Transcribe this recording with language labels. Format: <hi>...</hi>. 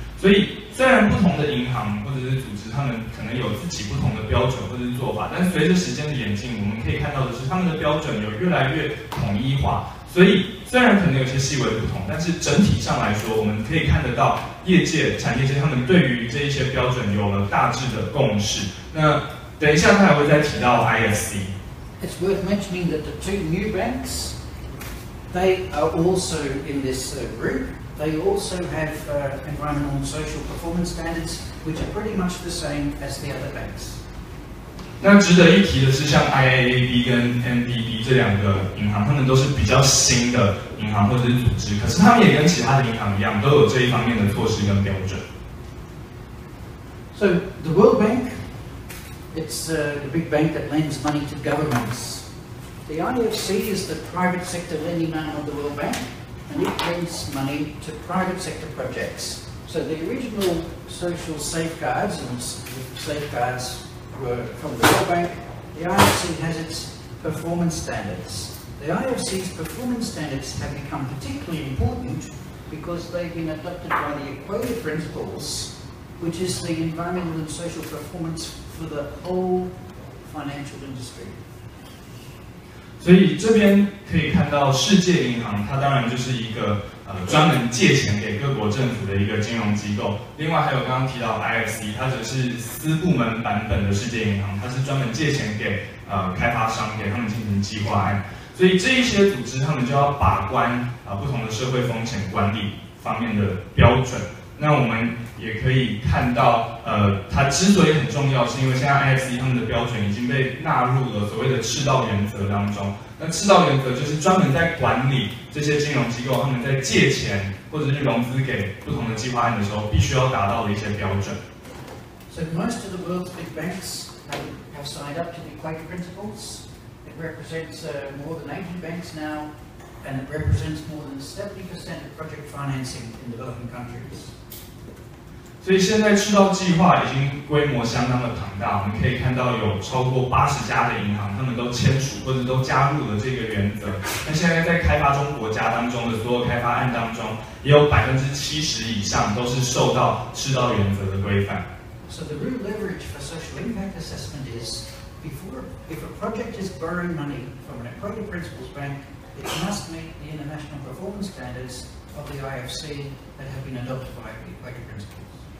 <zh>所以虽然不同的银行或者是组织他们可能有自己不同的标准或者是做法，但随着时间的演进，我们可以看到的是他们的标准有越来越统一化。所以虽然可能有些细微的不同，但是整体上来说，我们可以看得到业界产业界他们对于这一些标准有了大致的共识。那等一下他还会再提到 ISC。</zh> <en>It's worth mentioning that the two new banks,They are also in this group. They also have environmental and social performance standards, which are pretty much the same as the other banks.</en> <zh>那值得一提的是，像 IAAB 跟 MDB 这两个银行，他们都是比较新的银行或者是组织，可是他们也跟其他的银行一样，都有这一方面的措施跟标准。</zh> <en>So the World Bank, it's the big bank that lends money to governments. The IFC is the private sector lending arm of the World Bank, and it lends money to private sector projects. So the original social safeguards, and safeguards were from the World Bank, the IFC has its performance standards. The IFC's performance standards have become particularly important because they've been adopted by the Equator Principles, which is the environmental and social performance for the whole financial industry.</en> <zh>所以这边可以看到世界银行它当然就是一个专门借钱给各国政府的一个金融机构，另外还有刚刚提到 IFC 它则是私部门版本的世界银行，它是专门借钱给开发商给他们进行计划案。所以这一些组织他们就要把关不同的社会风险管理方面的标准。那我们也可以看到它之所以很重要，是因为现在 IFC 他们的标准已经被纳入了所谓的赤道原则当中。那赤道原则就是专门在管理这些金融机构他们在借钱或者是融资给不同的计划案的时候必须要达到的一些标准。</zh> <en>So most of the world's big banks have signed up to the Equator Principles. It represents more than 80 banks now, and it represents more than 70% of project financing in developing countries.</en> <zh>所以现在赤道计划已经规模相当的庞大，我们可以看到有超过80家的银行他们都签署或者都加入了这个原则。那现在在开发中国家当中的所有开发案当中，也有70%以上都是受到赤道原则的规范。</zh> <en>So the real leverage for social impact assessment is if a project is borrowing money from an Equator Principles bank, it must meet the international performance standards of the IFC that have been adopted by the Equator Principles.</en>